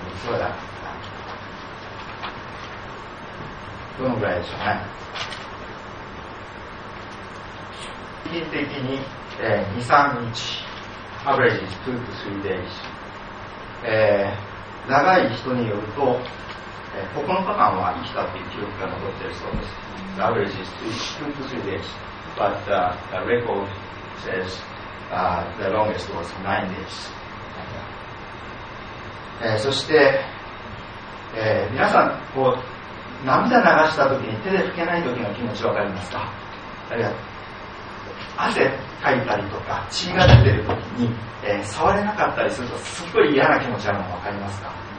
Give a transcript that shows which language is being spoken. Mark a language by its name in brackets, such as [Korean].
[Japanese] そうだ、どのぐらいでしょうね。平均的に、2、3日、 [English] Average is 2 to 3 days。 [Japanese] 長い人によると、9日間は生きたという記録が残っているそうです。 [English] The average is 2 to 3 days, but the record says the longest was 9 days. [Japanese] そして、皆さんこう涙流したときに手で拭けないときの気持ちわかりますか？あるいは汗かいたりとか血が出ているときに触れなかったりするとすごい嫌な気持ちあるの分かりますか？